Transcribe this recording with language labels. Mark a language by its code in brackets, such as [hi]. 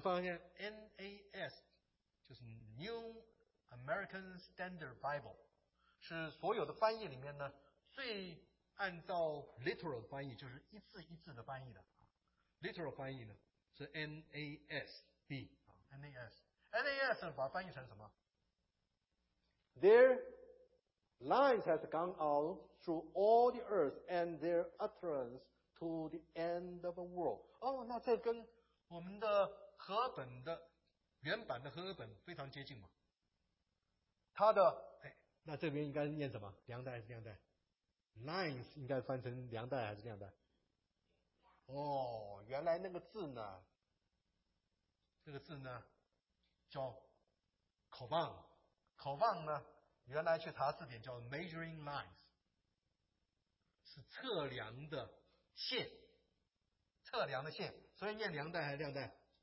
[zh] 发现 NAS 就是 New American Standard Bible 是所有的翻译里面呢最按照 literal 翻译，就是一字一字的翻译的 literal 翻译呢是 NAS NAS 把它翻译成什么？ [en] Their lines has gone out through all the earth and their utterance to the end of the world。 [zh] 哦，那这跟我们的和本的原版的和本非常接近嘛。它的那这边应该念什么？量带还是量带？ Lines 应该翻成量带还是量带？哦，原来那个字呢，这个字呢叫口棒，口棒呢原来去查字典叫 [en] measuring lines， [zh] 是测量的线，测量的线，所以念量带还是量带？